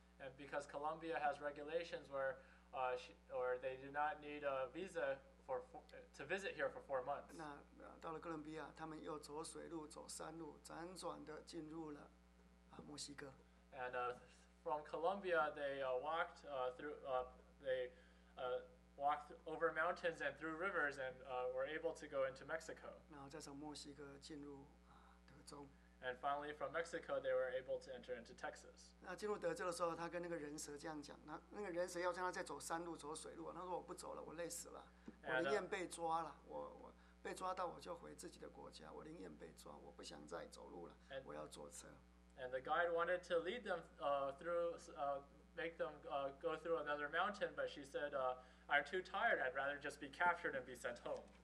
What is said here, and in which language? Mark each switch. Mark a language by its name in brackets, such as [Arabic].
[English] And because Colombia has regulations where they do not need a visa. To visit here for 4 months. [Chinese] 那到了哥伦比亚, 他们又走水路走山路, 辗转地进入了, 墨西哥。 [English] And from Colombia, they walked through they walked over mountains and through rivers and were able to go into Mexico. [Chinese] 然后再从墨西哥进入, 德州。 [English] And finally, from Mexico, they were able to enter into Texas. [Chinese] 那进入德州的时候, 他跟那个人蛇这样讲, 那个人蛇要叫他再走山路走水路, 他说我不走了，我累死了。我宁愿被抓了，我被抓到我就回自己的国家，我宁愿被抓，我不想再走路了，我要坐车。And [English] the guide wanted to lead them through, make them go through another mountain, but she said, "I'm too tired. I'd rather just be captured and be sent home."